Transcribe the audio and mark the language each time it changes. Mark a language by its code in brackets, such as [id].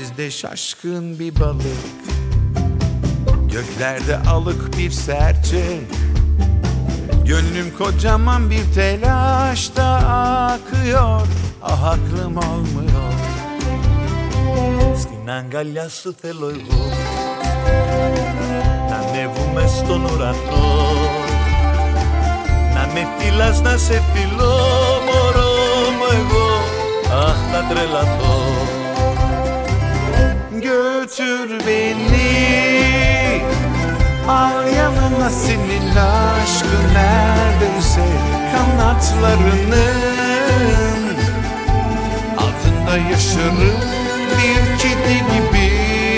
[tr] Şaşkın bir balık, göklerde alık bir serçe. Gönlüm kocaman bir telaşta akıyor. Ah aklım almıyor. [el] Στην αγκαλιά σου θέλω εγώ. Να ανέβουμε στον ουρανό. Να με φιλάς, να σε φιλώ. Μωρό μου εγώ, αχ θα τρελαθώ. [tr] Götür beni al yanına senin aşkın neredeyse. Kanatlarının altında yaşarım bir kedi gibi.